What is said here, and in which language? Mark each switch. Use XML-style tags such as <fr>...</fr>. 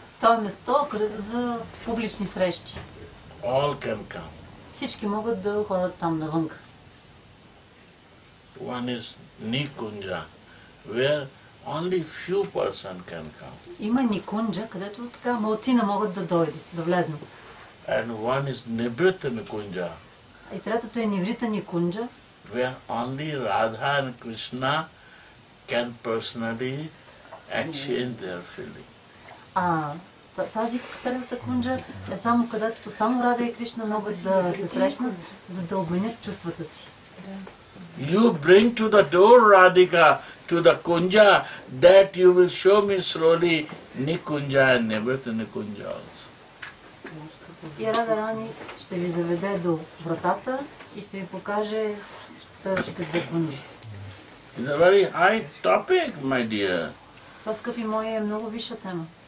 <bg>То е место за публични срещи.</bg> <en>All can come.</en> <bg>Всички могат да ходят там навънка.</bg> <en>One is Nikunja, where only few person can come.</en> <bg>Има Nikunja, където така малцина могат да дойдат, да влезнат.</bg> <en>And one is Nivritta Nikunja.</en> <bg>И третото е Nivritta Nikunja.</bg> <en>Where only Radha and Krishna can personally exchange their feeling.</en> <bg>Тази третата кунджа е само където само Радха и Кришна могат да се срещнат, за да обменят чувствата си.</bg> <en>You bring to the door Radhika, to the kunja, that you will show me slowly Nikunja and Nivritta Nikunja also.</en> <bg>И Радха Рани ще ви заведе до вратата и ще ви покаже.</bg> <en>It's a very high topic, my dear.</en> <bg>Скъпи мои, е много висша тема.</bg>